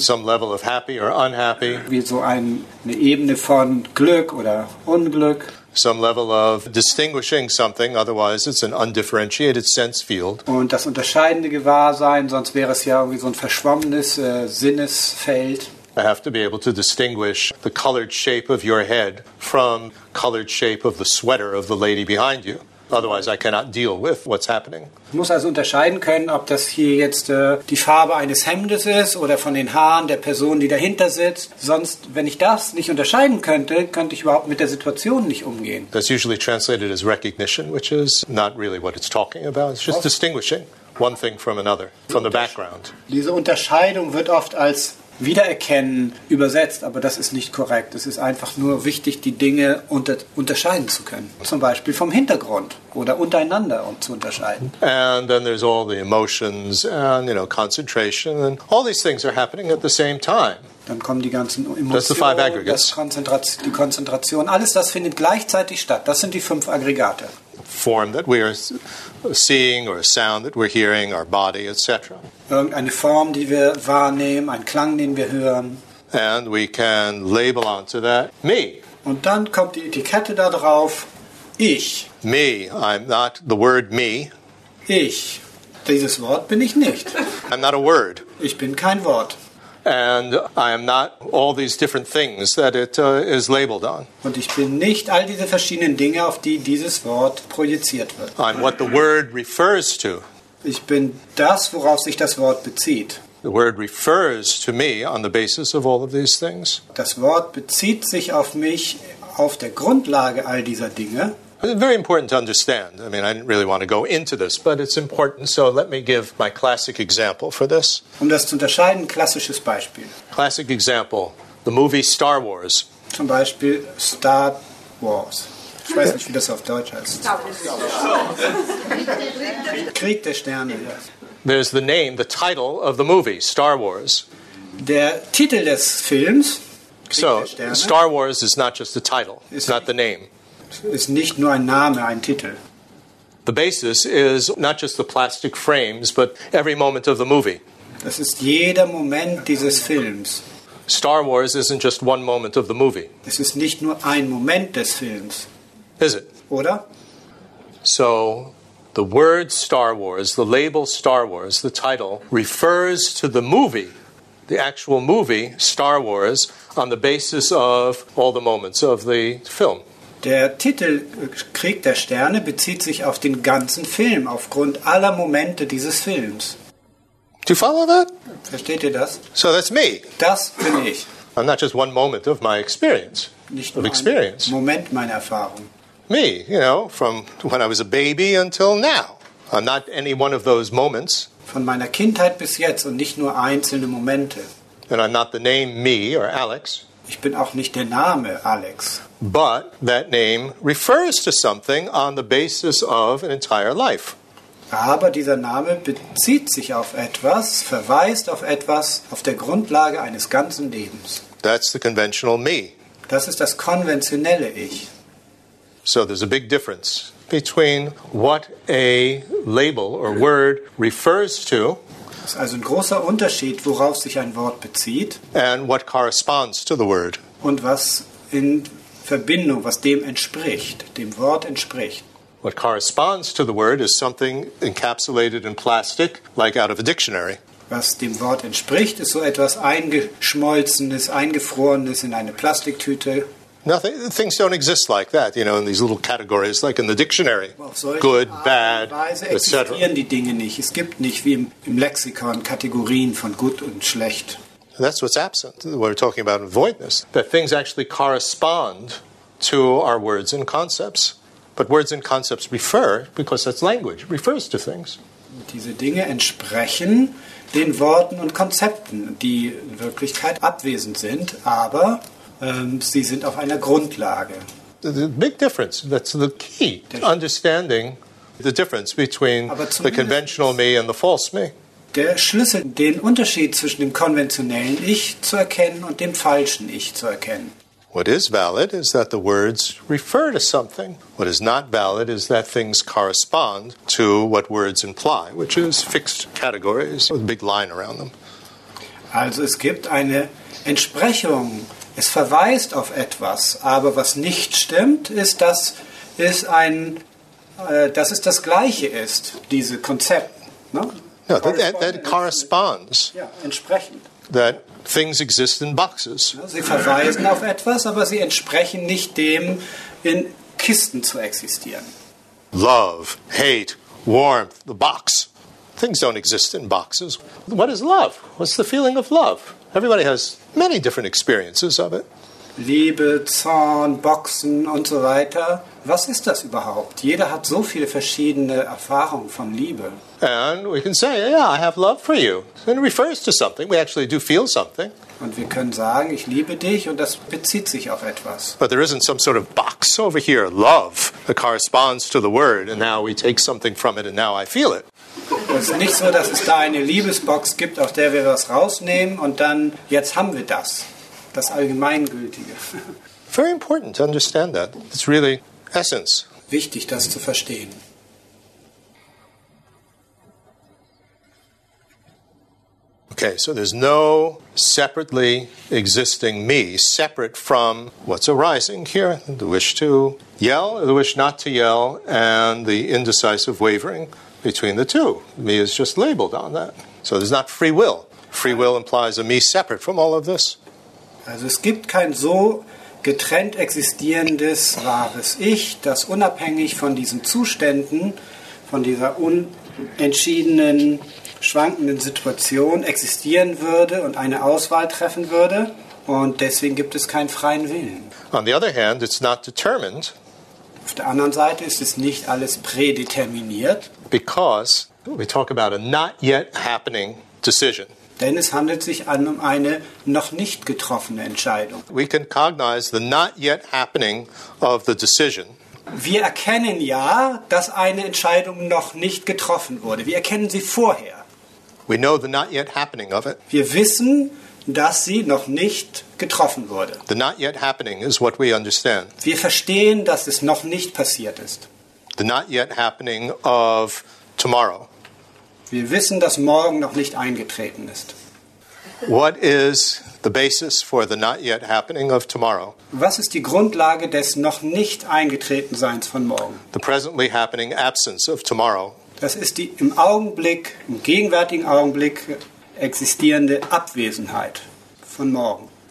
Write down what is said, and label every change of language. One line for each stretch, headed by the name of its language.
English: Some level of happy or unhappy.
German: Wie so eine Ebene von Glück oder Unglück.
English: Some level of distinguishing something, otherwise it's an undifferentiated sense field.
German: Und das unterscheidende Gewahrsein, sonst wäre es ja irgendwie so ein verschwommenes Sinnesfeld.
English: I have to be able to distinguish the colored shape of your head from colored shape of the sweater of the lady behind you. Otherwise, I cannot deal with what's happening.
German: Ich muss also unterscheiden können, ob das hier jetzt die Farbe eines Hemdes ist oder von den Haaren der Person, die dahinter sitzt. Sonst, wenn ich das nicht unterscheiden könnte, könnte ich überhaupt mit der Situation nicht umgehen.
English: That's usually translated as recognition, which is not really what it's talking about. It's just distinguishing one thing from another, from the background.
German: Diese Unterscheidung wird oft als Wiedererkennen übersetzt, aber das ist nicht korrekt. Es ist einfach nur wichtig, die Dinge unterscheiden zu können. Zum Beispiel vom Hintergrund oder untereinander, um zu unterscheiden.
English: And then there's all the emotions and, you know, concentration and all these things are happening at the same time.
German: Dann kommen die ganzen Emotionen, die Konzentration. Alles das findet gleichzeitig statt. Das sind die fünf Aggregate.
English: Form that we are seeing or a sound that we're hearing, our body, etc.
German: Irgendeine Form, die wir wahrnehmen, ein Klang, den wir hören.
English: And we can label onto that, me.
German: Und dann kommt die Etikette da drauf, ich.
English: Me, I'm not the word me.
German: Ich, dieses Wort bin ich nicht.
English: I'm not a word.
German: Ich bin kein Wort.
English: And I am not all these different things that it is labeled on.
German: Und ich bin nicht all diese verschiedenen Dinge, auf die dieses Wort projiziert wird.
English: I'm what the word refers to.
German: Ich bin das, worauf sich das Wort bezieht.
English: The word refers to me on the basis of all of these things.
German: Das Wort bezieht sich auf mich auf der Grundlage all dieser Dinge.
English: It's very important to understand. I mean, I didn't really want to go into this, but it's important. So let me give my classic example for this.
German: Um das zu unterscheiden, klassisches Beispiel.
English: Classic example, the movie Star Wars.
German: Zum Beispiel Star Wars. Ich weiß nicht, wie das auf Deutsch heißt. Krieg der Sterne.
English: There's the name, the title of the movie, Star Wars.
German: Der Titel des Films.
English: So, Star Wars is not just the title, it's not the name.
German: Ist nicht nur ein Name, ein Titel.
English: The basis is not just the plastic frames, but every moment of the movie.
German: Das ist jeder Moment dieses Films.
English: Star Wars isn't just one moment of the movie.
German: Es ist nicht nur ein Moment des Films.
English: Is it?
German: Oder?
English: So, the word Star Wars, the label Star Wars, the title, refers to the movie, the actual movie, Star Wars, on the basis of all the moments of the film.
German: Der Titel Krieg der Sterne bezieht sich auf den ganzen Film, aufgrund aller Momente dieses Films.
English: Do you follow that?
German: Versteht ihr das?
English: So that's me.
German: Das bin ich.
English: I'm not just one moment of my experience.
German: Nicht nur experience. Ein Moment meiner Erfahrung.
English: Me, you know, from when I was a baby until now. I'm not any one of those moments.
German: Von meiner Kindheit bis jetzt und nicht nur einzelne Momente.
English: And I'm not the name me or Alex.
German: Ich bin auch nicht der Name Alex.
English: But that name refers to something on the basis of an entire life.
German: Aber dieser Name bezieht sich auf etwas, verweist auf etwas, auf der Grundlage eines ganzen Lebens.
English: That's the conventional me.
German: Das ist das konventionelle Ich.
English: So there's a big difference between what a label or word refers to.
German: Das ist also ein großer Unterschied, worauf sich ein Wort bezieht.
English: And what corresponds to the word.
German: Und was in Verbindung, was dem entspricht, dem Wort entspricht.
English: What corresponds to the word is something encapsulated in plastic, like out of a dictionary.
German: Was dem Wort entspricht, ist so etwas Eingeschmolzenes, Eingefrorenes in eine Plastiktüte.
English: Nothing, things don't exist like that, you know, in these little categories, like in the dictionary. Good, bad, etc.
German: Existieren die Dinge nicht. Es gibt nicht wie im Lexikon Kategorien von gut und schlecht.
English: That's what's absent. We're talking about voidness. That things actually correspond to our words and concepts. But words and concepts refer, because that's language, refers to things.
German: Diese Dinge entsprechen den Worten und Konzepten, die in Wirklichkeit abwesend sind, aber sie sind auf einer Grundlage.
English: The big difference, that's the key, to understanding the difference between the conventional me and the false me.
German: Der Schlüssel, den Unterschied zwischen dem konventionellen Ich zu erkennen und dem falschen Ich zu erkennen.
English: What is valid is that the words refer to something. What is not valid is that things correspond to what words imply, which is fixed categories with a big line around them.
German: Also es gibt eine Entsprechung. Es verweist auf etwas. Aber was nicht stimmt, ist, dass es ein, dass es das Gleiche ist, diese Konzepte. Ne?
English: No, that corresponds.
German: Ja, entsprechend.
English: That things exist in boxes.
German: Sie verweisen auf etwas, aber sie entsprechen nicht dem, in Kisten zu existieren.
English: Love, hate, warmth, the box. Things don't exist in boxes. What is love? What's the feeling of love? Everybody has many different experiences of it.
German: Liebe, Zorn, Boxen und so weiter. Was ist das überhaupt? Jeder hat so viele verschiedene Erfahrungen von Liebe.
English: And we can say, yeah, I have love for you. And it refers to something. We actually do feel something.
German: Und wir können sagen, ich liebe dich, und das bezieht sich auf etwas.
English: But there isn't some sort of box over here, love, that corresponds to the word, and now we take something from it, and now I feel it.
German: Es ist nicht so, dass es da eine Liebesbox gibt, aus der wir was rausnehmen, und dann, jetzt haben wir das. Das Allgemeingültige.
English: Very important to understand that. It's really essence.
German: Wichtig, das zu verstehen.
English: Okay, so there's no separately existing me, separate from what's arising here, the wish to yell, the wish not to yell, and the indecisive wavering between the two. Me is just labeled on that. So there's not free will. Free will implies a me separate from all of this.
German: Also es gibt kein so getrennt existierendes wahres Ich, das unabhängig von diesen Zuständen, von dieser unentschiedenen, schwankenden Situation existieren würde und eine Auswahl treffen würde. Und deswegen gibt es keinen freien Willen.
English: On the other hand, it's not determined.
German: Auf der anderen Seite ist es nicht alles prädeterminiert.
English: Because we talk about a not yet happening decision.
German: Denn es handelt sich an um eine noch nicht getroffene Entscheidung.
English: We can cognize the not yet happening of the decision.
German: Wir erkennen ja, dass eine Entscheidung noch nicht getroffen wurde. Wir erkennen sie vorher.
English: We know the not yet happening of it.
German: Wir wissen, dass sie noch nicht getroffen wurde.
English: The not yet happening is what we understand.
German: Wir verstehen, dass es noch nicht passiert ist.
English: The not yet happening of tomorrow.
German: Wir wissen, dass morgen noch nicht eingetreten ist.
English: What is the basis for the not yet happening of tomorrow?
German: Was ist die Grundlage des noch nicht eingetreten Seins von morgen?
English: The presently happening absence of tomorrow.
German: Das ist die im Augenblick, im gegenwärtigen Augenblick existierende Abwesenheit von morgen.